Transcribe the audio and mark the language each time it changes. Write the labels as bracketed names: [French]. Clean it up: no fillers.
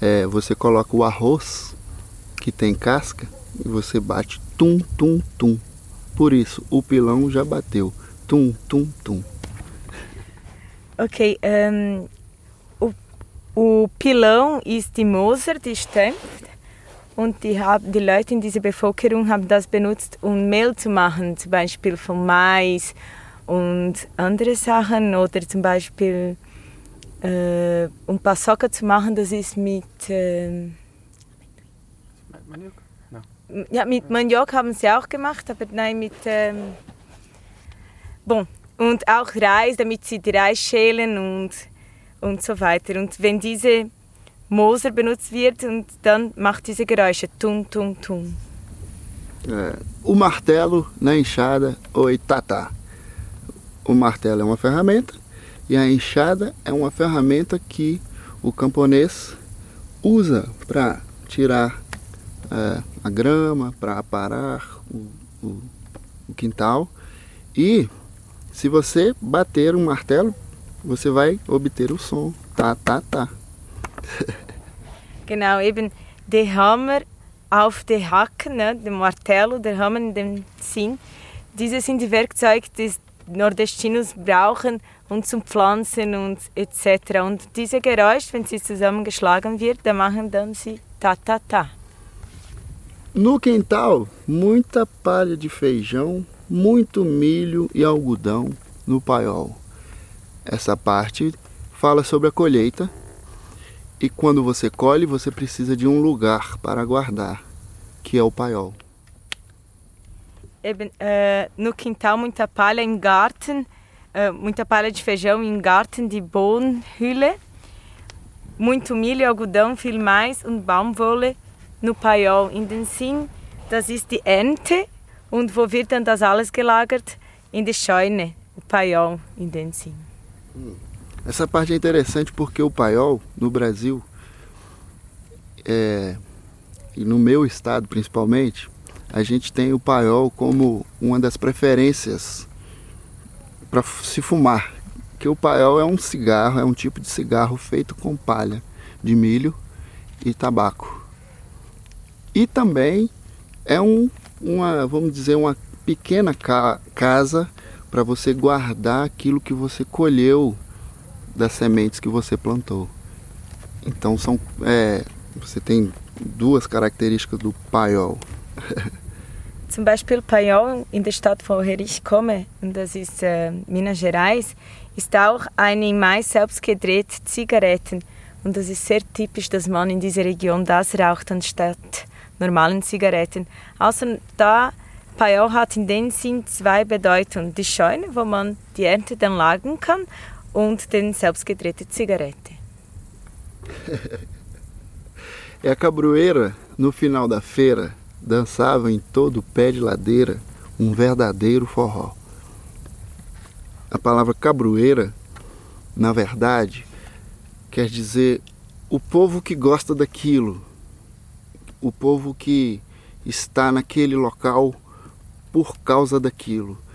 [Portuguese] Você coloca o arroz, que tem casca, e você bate tum, tum, tum. Por isso, o pilão já bateu. Tum, tum, tum. Ok, o pilão é o Moser, que [German] stampft, und die Leute in dieser Bevölkerung haben das benutzt, Mehl zu machen, zum Beispiel von Mais und andere Sachen, oder zum Beispiel Paçoca zu machen, das ist mit Maniok? No. Ja, mit Maniok haben sie auch gemacht, aber nein, mit Bon. Und auch Reis, damit sie die Reis schälen und so weiter. Und wenn diese Moser benutzt wird, und dann macht diese Geräusche tum, tum, tum. [Portuguese] O martelo na enxada, oi tata. O martelo é uma ferramenta e a enxada é uma ferramenta que o camponês usa para tirar a grama, para aparar o quintal e... Se você bater martelo, você vai obter o som. Tá, tá, tá. [German] Genau, eben der Hammer auf der Hacke, ne? Der Martelo, der Hammer in dem Sinn. Diese sind die Werkzeuge, die Nordestinos brauchen und zum Pflanzen und etc. Und diese Geräusche, wenn sie zusammengeschlagen wird, dann machen dann sie ta, ta, ta. [Portuguese] No quintal, muita palha de feijão. Muito milho e algodão no paiol. Essa parte fala sobre a colheita. E quando você colhe, você precisa de lugar para guardar, que é o paiol. Eben, no quintal, muita palha em garten. Muita palha de feijão em garten de Bohnenhülle. Muito milho e algodão, [German] viel mais, und Baumwolle [Portuguese] no paiol. [German] In den Sinn, das ist die Ernte. Und wo wird dann das alles gelagert? In die Scheune, o paiol, in den Sinn. [Portuguese] Essa parte é interessante porque o paiol, no Brasil, e no meu estado principalmente, a gente tem o paiol como uma das preferências para se fumar. Porque o paiol é um cigarro, é um tipo de cigarro feito com palha de milho e tabaco. E também é uma pequena casa para você guardar aquilo que você colheu das sementes que você plantou. Então você tem duas características do paiol. [German] Zum Beispiel Paiol in der Stadt, wo ich komme, und das ist Minas Gerais, ist auch eine im Mais selbst gedrehte Zigaretten. Und das ist sehr typisch, dass man in dieser Region das raucht anstatt normalen Zigaretten. Also da Paiol hat in dem Sinn zwei Bedeutungen. Die Scheune, wo man die Ernte dann lagern kann, und den selbst gedrehte Zigarette. [Portuguese] É a cabroeira, no final da feira, dançava em todo o pé de ladeira um verdadeiro forró. A palavra cabroeira, na verdade, quer dizer o povo que gosta daquilo, o povo que está naquele local por causa daquilo.